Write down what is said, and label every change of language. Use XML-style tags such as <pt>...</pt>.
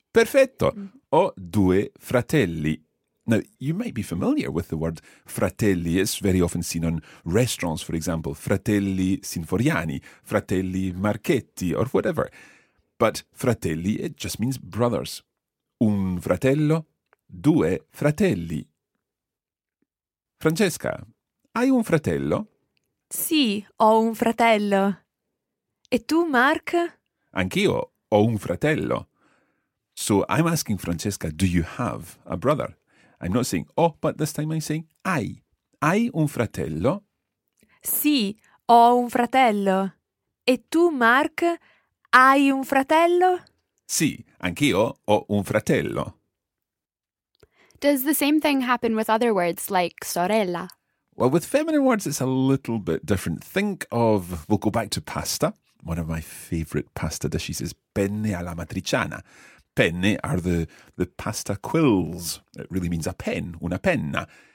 <it>Perfetto. Ho due fratelli.</it> <en>Now, you might be familiar with the word fratelli. It's very often seen on restaurants, for example, fratelli Sinforiani, fratelli Marchetti, or whatever. But fratelli, it just means brothers.</en> <it>Un fratello, due fratelli. Francesca, hai un fratello? Sì, ho un fratello. E tu, Mark? Anch'io ho un fratello.</it> <en>So I'm asking Francesca, do you have a brother? I'm not saying ho, but this time I'm saying hai.</en> <it>Hai un fratello? Sì, ho un fratello. E tu, Mark, hai un fratello? Sì, anch'io ho un fratello.</it> <en>Does the same thing happen with other words like sorella? Well, with feminine words, it's a little bit different. Think of, we'll go back to pasta. One of my favourite pasta dishes is penne alla matriciana. Penne are the pasta quills. It really means a pen,</en> <it>una penna.</it>